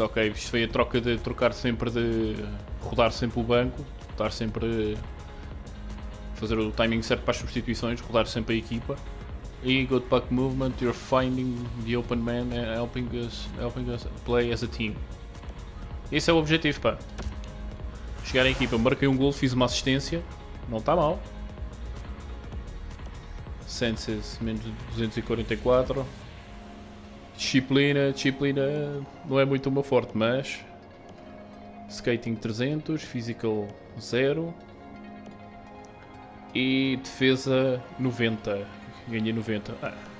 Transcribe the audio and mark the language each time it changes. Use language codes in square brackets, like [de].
[pt] Ok, isto foi a troca de trocar sempre de... Rodar sempre o banco. Estar sempre a fazer o timing certo para as substituições, rodar sempre a equipa. [en] E good puck movement, you're finding the open man and helping us play as a team. [pt] Esse é o objetivo, pá. Chegar em equipa, marquei um gol, fiz uma assistência, não está mal. Senses, menos 244. Disciplina não é muito uma forte, mas... Skating 300, Physical 0 e Defesa 90, ganhei 90. Ah.